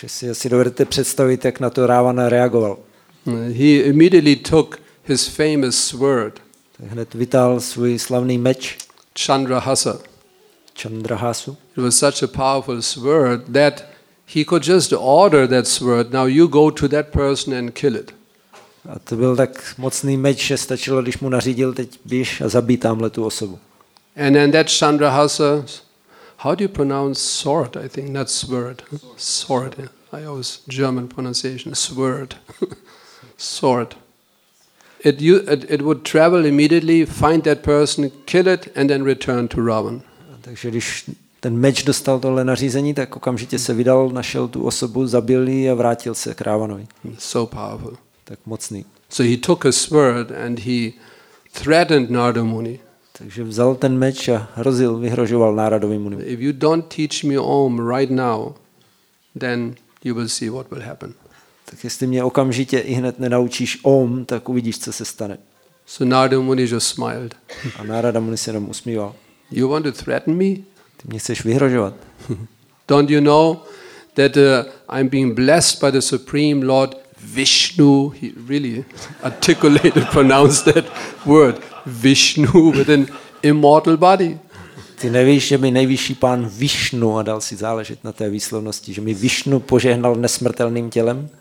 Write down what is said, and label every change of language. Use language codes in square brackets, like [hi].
[cs] Si asi dovedete představit, jak na to Ravana reagoval. [en] He immediately took his famous sword. [cs] Tak hned vytáhl svůj slavný meč. [en] Chandrahasa. [cs] Chandrahasu. [en] It was such a powerful sword that he could just order that sword. Now you go to that person and kill it. [cs] A to byl tak mocný meč, že stačilo, když mu nařídil, teď běž a zabij tamhle tu osobu. [en] And then that Chandrahasa, how do you pronounce sword? I think not sword. Sword. I always German pronunciation. Sword. Sword. It would travel immediately, find that person, kill it, and then return to Ravan. [cs] Takže když ten meč dostal tohle nařízení, tak okamžitě se vydal, našel tu osobu, zabil ji a vrátil se k Ravanovi. [en] So powerful. [cs] Tak mocný. [en] So he took a sword and he threatened Narada Muni. [cs] Takže vzal ten meč a hrozil, vyhrožoval Naradovi Muni. [en] If you don't teach me Om right now, then you will see what will happen. [cs] Tak jestli mě okamžitě i hned nenaučíš Om, tak uvidíš, co se stane. [en] So Narada Muni just smiled. [cs] A Narada Muni se jenom usmíval. [en] You want to threaten me? [cs] Ty mě chceš vyhrožovat. [en] Don't you know that I'm being blessed by the Supreme Lord Vishnu, he really articulated, pronounced that word, Vishnu, with an immortal body. [cs] Ty nevíš, že mi nejvyšší pán Višnu a dal si záležet na té výslovnosti, že mi Višnu požehnal nesmrtelným tělem?